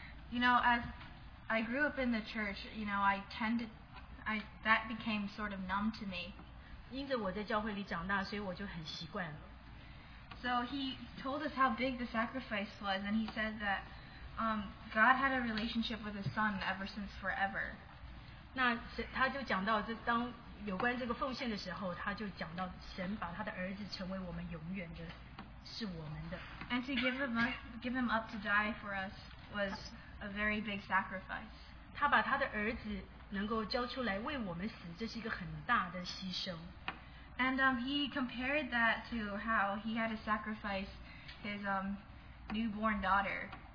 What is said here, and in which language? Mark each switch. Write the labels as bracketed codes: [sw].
[en] you know, as I grew up in the church, you know, that became sort of numb to me. [zh] 因着我在教会里长大，所以我就很习惯了。 [en] So he told us how big the sacrifice was, and he said that God had a relationship with His Son ever since forever. [zh] 那他就讲到这当有关这个奉献的时候，他就讲到神把他的儿子成为我们永远的，是我们的。 [en] And to give him up to die for us was a very big sacrifice. [zh] 他把他的儿子能够交出来为我们死，这是一个很大的牺牲。 [en] And he compared that to how he had to sacrifice his newborn daughter.